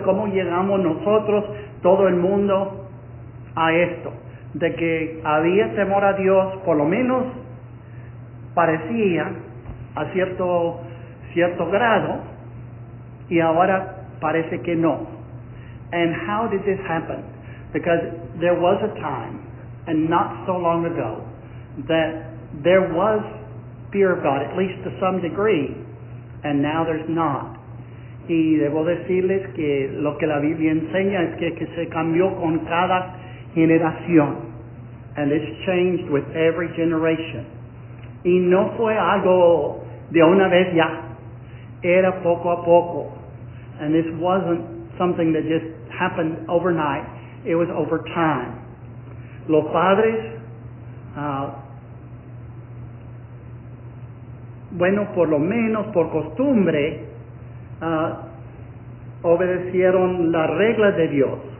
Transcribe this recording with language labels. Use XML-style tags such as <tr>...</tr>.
<es>¿Cómo llegamos nosotros, todo el mundo, a esto? De que había temor a Dios, por lo menos parecía a cierto grado, y ahora parece que no.</es> <en>And how did this happen? Because there was a time, and not so long ago, that there was fear of God, at least to some degree, and now there's not.</en> <es>Y debo decirles que lo que la Biblia enseña es que se cambió con cada generación.</es> <en>And it's changed with every generation.</en> <es>Y no fue algo de una vez ya. Era poco a poco.</es> <en>And this wasn't something that just happened overnight. It was over time.</en> <es>Los padres, bueno, por lo menos por costumbre, obedecieron la regla de Dios.</es>